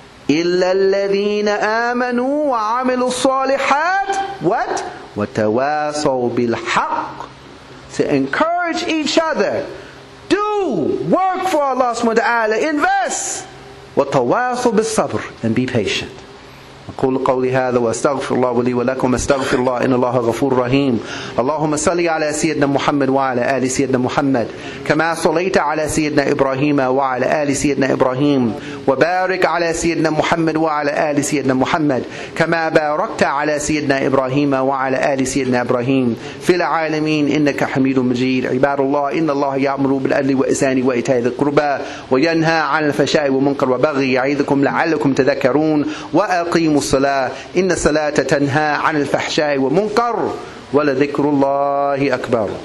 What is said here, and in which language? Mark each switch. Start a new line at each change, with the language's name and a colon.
Arabic: إِلَّا الَّذِينَ آمَنُوا وَعَمِلُوا الصَّالِحَاتِ
English: What?
Arabic: وَتَوَاسَوْا بِالْحَقِّ
English: To encourage each other. Do work for Allah subhanahu wa ta'ala. Invest.
Arabic: وَتَوَاسَوْا بِالصَّبْرِ
English: And be patient.
Arabic: قول قولي هذا واستغفر الله لي ولكم استغفر الله ان الله غفور رحيم اللهم صل على سيدنا محمد وعلى ال سيدنا محمد كما صليت على سيدنا ابراهيم وعلى ال سيدنا ابراهيم وبارك على سيدنا محمد وعلى ال سيدنا محمد كما باركت على سيدنا ابراهيم وعلى ال سيدنا ابراهيم في العالمين انك حميد مجيد عباد الله ان الله يأمر بالعدل والإحسان وإيتاء ذي القربى وينهى عن الفحشاء والمنكر والبغي يعظكم لعلكم تذكرون واقيموا الصلاة إن الصلاة تنهى عن الفحشاء والمنكر ولذكر الله أكبر